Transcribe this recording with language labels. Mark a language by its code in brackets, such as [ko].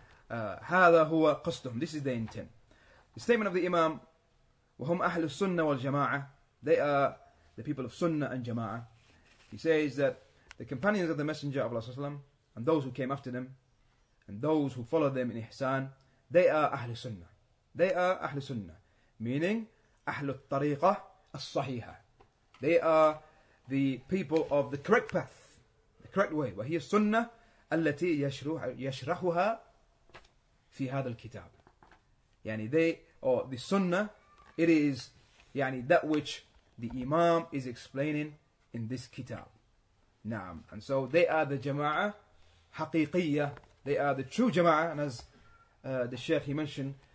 [ar] هذا هو قصدهم [en] this is their intent the statement of the imam [ar] وهم أهل السنة والجماعة [en] they are the people of sunnah and jama'a he says that the companions of the messenger of Allah and those who came after them and those who followed them in ihsan they are أهل السنة meaning [ar] أهل الطريقة الصحيحة. [en] They are the people of the correct path, the correct way. [ar] وهي السنة التي يشرحها في هذا الكتاب. [en] يعني the Sunnah, it is يعني that which the Imam is explaining in this kitab. [ar] نعم. [en] And so they are the [ar] جماعة حقيقية. [en] They are the true جماعة. And as the Sheikh he mentioned.